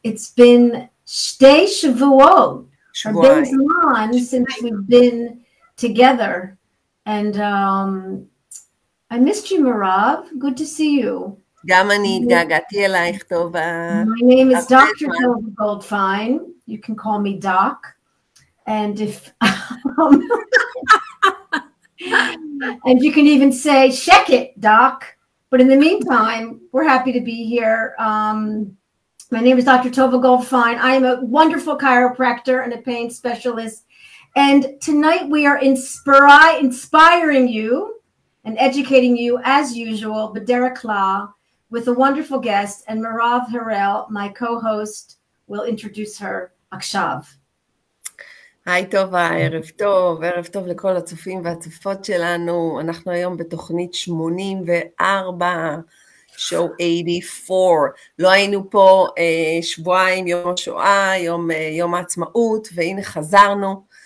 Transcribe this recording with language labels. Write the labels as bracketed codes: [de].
[en] It's been [he] שתי שבועות. שבועיים. [en] A big long since we've been together. And I missed you, מירב. Good to see you. [he] גם אני התגעגעתי אלייך, טובה. [en] My name is Dr. טובה גולדפיין. You can call me Doc. And if... and you can even say, check it, Doc. But in the meantime, we're happy to be here. My name is Dr. Tova Goldfein. I am a wonderful chiropractor and a pain specialist. And tonight we are inspiring you and educating you as usual, [he] Bedera Kla, [en] with a wonderful guest, and Mirav Harel, my co-host, will introduce her, [he] Akshav. היי טובה, ערב טוב, ערב טוב לכל הצופים והצופות שלנו. אנחנו היום בתוכנית 84, [en] show 84. [he] לא היינו פה שבועיים, יום השואה, יום העצמאות, והנה חזרנו.